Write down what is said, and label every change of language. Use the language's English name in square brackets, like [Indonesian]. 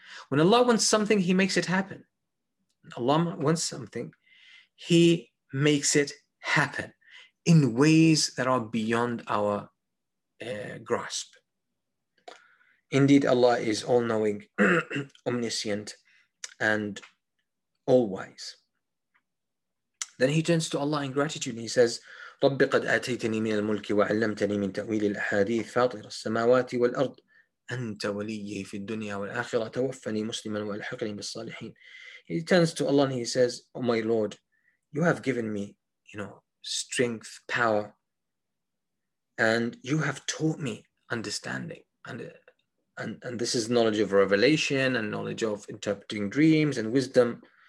[English] When Allah wants something, he makes it happen. Allah wants something, he makes it happen in ways that are beyond our grasp. Indeed, Allah is all-knowing, omniscient, and all-wise. Then he turns to Allah in gratitude and he says, [Arabic] رَبِّ قَدْ آتَيْتَنِي مِنَ الْمُلْكِ وَعَلَّمْتَنِي مِنْ تَأْوِيلِ الْأَحَادِيثِ فَاطِرَ السَّمَاوَاتِ وَالْأَرْضِ أَنْتَ وَلِيِّي فِي الدُّنْيَا وَالْآخِرَةَ تَوَفَّنِي مُسْلِمًا وَأَلْحِقْنِي بِالصَّالِحِينَ. [English] He turns to Allah and he says, Oh my Lord, you have given me, you know, strength, power, and you have taught me understanding. And this is knowledge of revelation and knowledge of interpreting dreams and wisdom.